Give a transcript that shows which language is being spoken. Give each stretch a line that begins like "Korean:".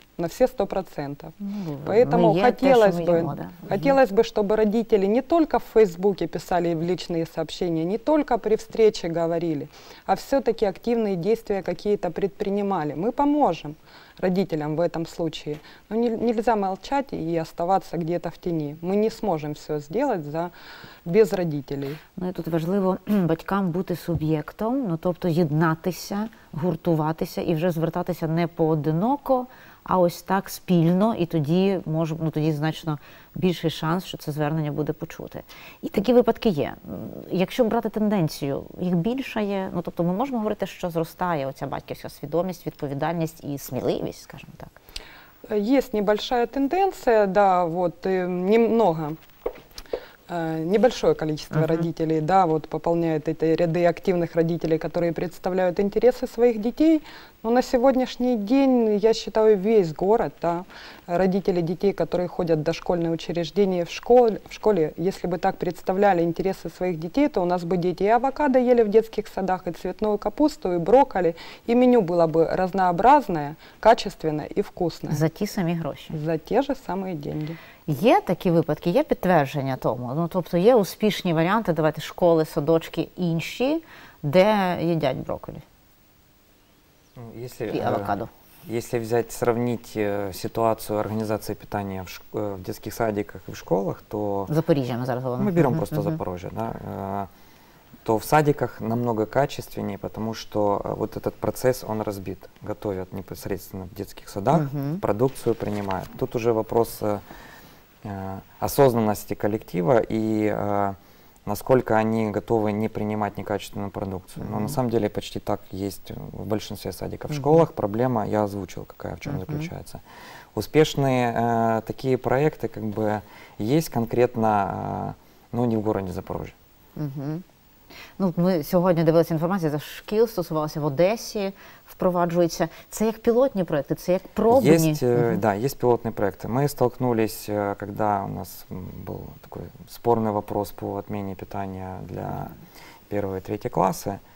Russian: на все 100%. Поэтому хотелось бы, чтобы родители не только в Фейсбуке писали в личные сообщения, не только при встрече говорили, а все-таки активные действия какие-то предпринимали. Мы поможем родителям в этом случае. Но нельзя молчать и оставаться где-то в тени. Мы не сможем все сделать без родителей.
Ukrainian: Ну і тут важливо батькам бути суб'єктом, ну тобто єднатися, гуртуватися і вже звертатися не поодиноко, а ось так спільно, і тоді може, ну тоді значно більший шанс, що це звернення буде почути. І такі випадки є. Якщо брати тенденцію, їх більше є, ну тобто ми можемо говорити, що зростає оця батьківська свідомість, відповідальність і сміливість, скажімо так. Є
Russian: небольшая тенденція, да, вот немного. Небольшое количество родителей, да, вот пополняют эти ряды активных родителей, которые представляют интересы своих детей. Но на сегодняшний день, я считаю, весь город, да, родители детей, которые ходят в дошкольные учреждения в школе, если бы так представляли интересы своих детей, то у нас бы дети и авокадо ели в детских садах, и цветную капусту, и брокколи, и меню было бы разнообразное, качественное и вкусное. За те самые гроши. За те же самые деньги.
Ukrainian: Є такі випадки, є підтвердження тому? Ну, тобто є успішні варіанти, давайте, школи, садочки, інші, де їдять брокколі і авокадо?
Russian: Если взять, сравнить ситуацию организации питания в детских садиках и в школах, то... Запорожье мы
Ukrainian: зараз
Russian: говорим. Мы берем просто Запорожье, да. То в садиках намного качественнее, потому что вот этот процесс, он разбит. Готовят непосредственно в детских садах, продукцию принимают. Тут уже вопрос осознанности коллектива и насколько они готовы не принимать некачественную продукцию. Но на самом деле почти так есть в большинстве садиков. В школах проблема, я озвучил, какая в чем заключается. Успешные такие проекты как бы есть конкретно, но не в городе Запорожье.
Ukrainian: Ну, ми сьогодні дивилися інформацію, за шкіл стосувалося, в Одесі впроваджується. Це як пілотні проекти, це як пробні? Є пілотні проекти. Ми стикнулися, коли у нас був такий спорний питання по відміні питання для 1-3 класу.